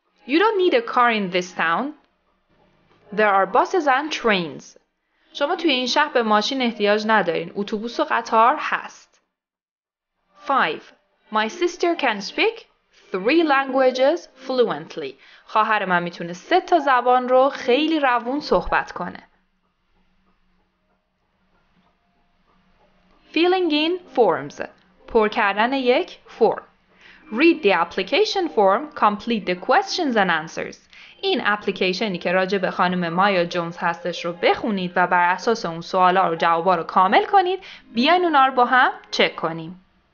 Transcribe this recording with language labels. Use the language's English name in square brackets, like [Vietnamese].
[English] You don't need a car in this town. There are buses and trains. [Persian] شما توی این شهر به ماشین احتیاج ندارین. اتوبوس و قطار هست. 5. [English] My sister can speak 3 languages fluently. [Persian] خواهر من میتونه 3 تا زبان رو خیلی روون صحبت کنه. [English] Filling in forms. [Persian] پر کردن یک فرم. [English] Read the application form, complete the questions and answers. [Persian] این اپلیکیشنی که راجع به خانم مایا جونز هستش رو بخونید و بر اساس اون سوالا رو جوابا رو کامل کنید. بیاین اونا رو با هم چک کنیم.